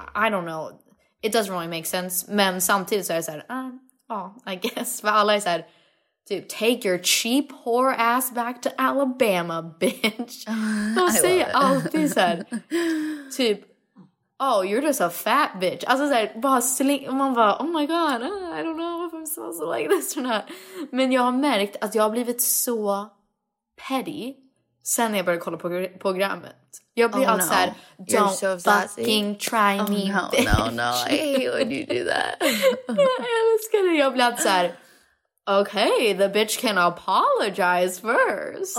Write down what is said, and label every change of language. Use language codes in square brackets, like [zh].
[en] I don't know. It doesn't really make sense. [sv] Men samtidigt så är det så här, [en] I guess. [sv] För alla är så här, typ, [en] take your cheap whore ass back to Alabama, bitch. [sv] De säger alltid så här, typ, [en] oh, you're just a fat bitch. [sv] Alltså såhär, bara släng... Och man bara, [en] oh my god, I don't know if I'm supposed to like this or not. [sv] Men jag har märkt att jag har blivit så petty sen jag började kolla på programmet. Jag blir alltså såhär, [en] don't so fucking try me, bitch. No, I hate when you do that. [sv] Jag älskar det. Jag blir alltså såhär, [en] okay, the bitch can apologize first.